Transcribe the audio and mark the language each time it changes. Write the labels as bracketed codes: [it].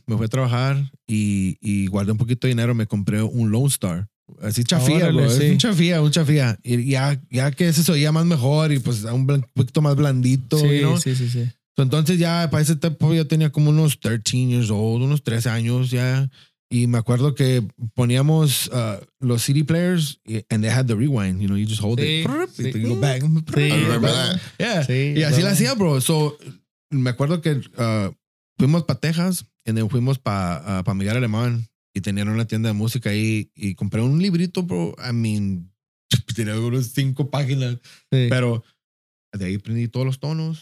[es] Me fui a trabajar y guardé un poquito de dinero. Me compré un Lone Star. Así chafía, bro. Sí. Un chafía. Y ya que se oía más mejor y pues un poquito más blandito. Sí, [en] you know? [es] Sí. Entonces ya para ese tiempo yo tenía como unos [en] 13 years old, [es] unos 13 años ya. Y me acuerdo que poníamos los CD players [en] and they had the rewind, you know, you just hold it. Sí. You go back. I remember that. [es] Yeah. Sí, y así lo hacía, bro. So, me acuerdo que fuimos para Texas y luego fuimos para Miguel Alemán y tenían una tienda de música ahí y compré un librito, bro. [en] I mean, [es] tenía unos 5 páginas, sí. Pero de ahí aprendí todos los tonos.